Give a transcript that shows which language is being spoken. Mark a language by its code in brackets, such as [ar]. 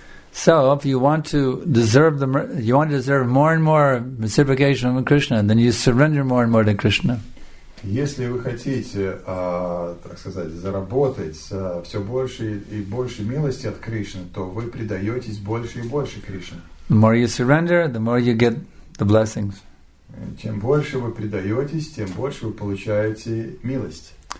[en] So, if you want to deserve the, you want to deserve more and more reciprocation from Krishna, then you surrender more and more to Krishna. [ru] Если вы хотите, так сказать, заработать все больше и больше милости от Кришны, то вы предаетесь больше и больше Кришне. [en] The more you surrender, the more you get the blessings. [ru] Чем больше вы предаетесь, тем больше вы получаете милость.